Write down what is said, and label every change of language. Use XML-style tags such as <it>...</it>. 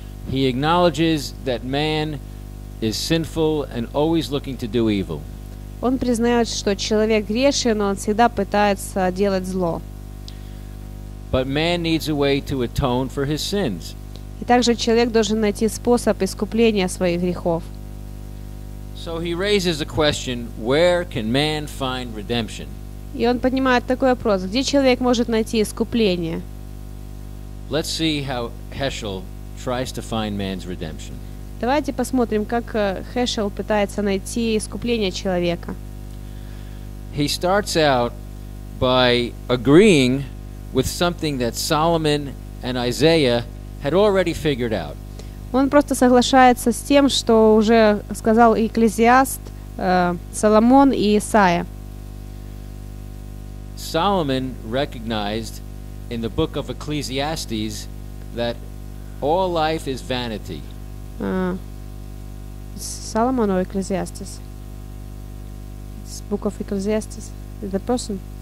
<en>He acknowledges that man is sinful and always looking to do evil.</en> <ru>Он признает, что человек грешен, но он всегда пытается делать зло.</ru> <en>But man needs a way to atone for his sins.</en> <ru>И также человек должен найти способ искупления своих грехов.</ru> <en>So he raises a question, where can man find redemption?</en> <ru>И он поднимает такой вопрос, где человек может найти искупление?</ru> <en>Let's see how Heschel tries to find man's redemption.</en> <ru>Давайте посмотрим, как Хешел пытается найти искупление человека.</ru> <en>He starts out by agreeing with something that Solomon and Isaiah had already figured out.</en> <ru>Он просто соглашается с тем, что уже сказал Экклезиаст, Соломон и Исаия.</ru> <en>Solomon recognized in the book of Ecclesiastes that all life is vanity. Solomon or Ecclesiastes? It's book of Ecclesiastes, the person.</en>